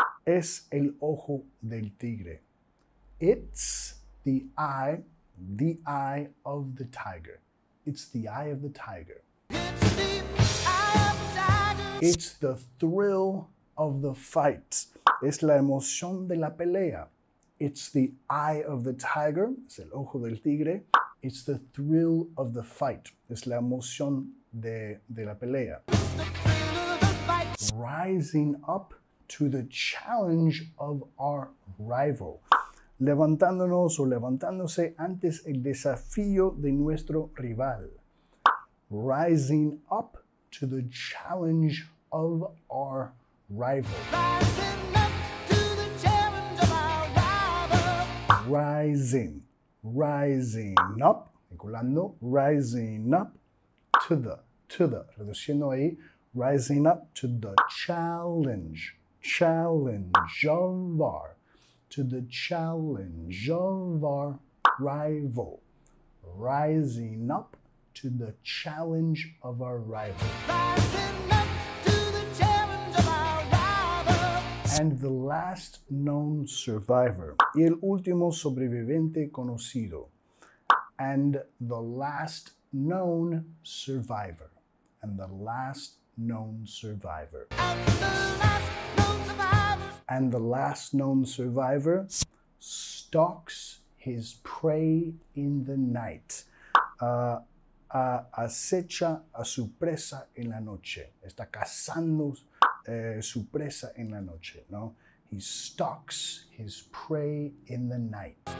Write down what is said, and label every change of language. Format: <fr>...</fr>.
<es>Es el ojo del tigre.</es> <en>It's the eye of the tiger. It's the eye of the tiger. It's the eye of the tiger. It's the thrill of the fight.</en> <es>Es la emoción de la pelea.</es> <en>It's the eye of the tiger,</en> <es>es el ojo del tigre.</es> <en>It's the thrill of the fight,</en> <es>es la emoción de la pelea.</es> <en>It's the thrill of the fight. Rising up to the challenge of our rival.</en> <es>levantándonos o levantándose ante el desafío de nuestro rival.</es> <en>Rising up to the challenge of our rival. Rising up to the challenge of our rival. Rising, rising up,</en> <es>vinculando,</es> <en>rising up to the,</en> <es>reduciendo ahí,</es> <en>rising up to the challenge, challenge of our, to the challenge of our rival. Rising up to the challenge of our rival. Rising up to the challenge of our rival. And the last known survivor.</en> <es>Y el último sobreviviente conocido.</es> <en>And the last known survivor. And the last known survivor. And the last known survivor. And the last known survivor stalks his prey in the night.</en> <es>Acecha a su presa en la noche. Está cazando su presa en la noche, ¿no?</es> <en>He stalks his prey in the night.</en>